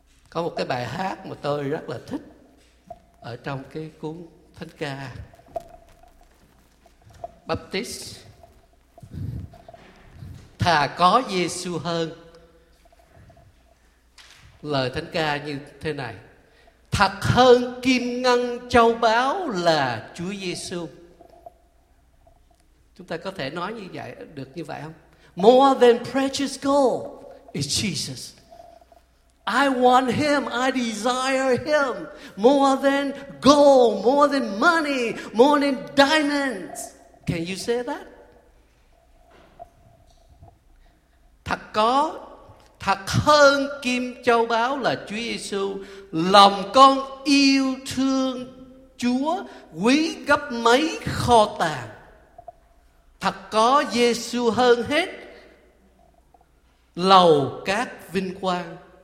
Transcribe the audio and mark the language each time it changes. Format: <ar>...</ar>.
<vi>Có một cái bài hát mà tôi rất là thích ở trong cái cuốn thánh ca Baptist: thà có Giêsu hơn. Lời thánh ca như thế này: thật hơn kim ngân châu báu là Chúa Giêsu. Chúng ta có thể nói như vậy được như vậy không?</vi> <en>More than precious gold is Jesus. I want him, I desire him more than gold, more than money, more than diamonds. Can you say that?</en> <vi>Thật có, thật hơn kim châu báu là Chúa Giêsu. Lòng con yêu thương Chúa quý gấp mấy kho tàng. Thật có Giêsu hơn hết lầu các vinh quang.</vi>